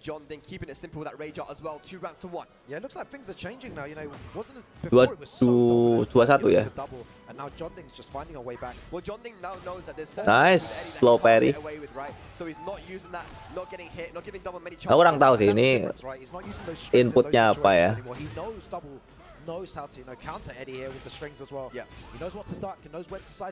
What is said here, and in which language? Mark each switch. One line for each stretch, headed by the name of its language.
English: John Ding keeping it simple with that rage out as well. Two rounds to one. Yeah, looks like things are changing now. You know, wasn't it before two, it was so dominant, yeah. And now John Ding's just finding a way back. Well, John Ding now knows that there's nice slow parry. Right. So he's not using that, not getting hit, not giving Double many chances.
Indonesian: Orang tahu sih ini inputnya apa ya.
English: He knows Double knows how to, you know, counter Eddie here with the strings as well. Yeah. He knows what to duck, he knows where to side.